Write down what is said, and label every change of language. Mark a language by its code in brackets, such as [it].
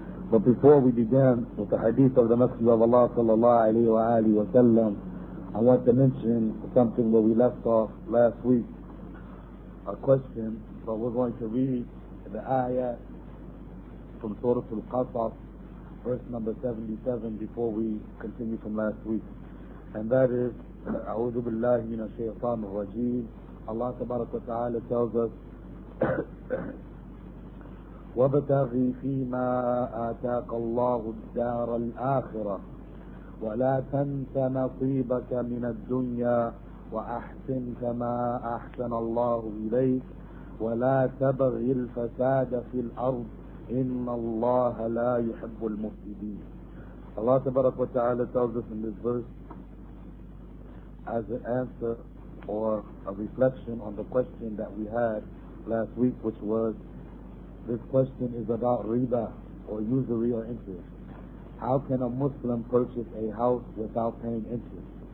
[en] But before we begin with the hadith of the Messenger of Allah sallallahu alayhi wa alihi wa sallam, I want to mention something where we left off last week. A question, but we're going to read the ayah from Surah Al-Qasas, verse number 77, before we continue from last week. And that is, A'udhu billahi min ash-shaytan ar-rajim. Allah tabaraka wa ta'ala tells us, [ar] وَبَتَغِي فِي مَا آتَاكَ اللَّهُ الدَّارَ الْآخِرَةِ وَلَا تَنْسَ نَصِيبَكَ مِنَ الدُّنْيَا وَأَحْسِنْ كَمَا أَحْسَنَ اللَّهُ إِلَيْكَ وَلَا تَبَغِي الْفَسَادَ فِي الْأَرْضِ إِنَّ اللَّهَ لَا يُحِبُّ الْمُفْسِدِينَ. [en] Allah subhanahu wa ta'ala tells us in this verse as an answer or a reflection on the question that we had last week, which was, this question is about riba, or usury or interest. How can a Muslim purchase a house without paying interest?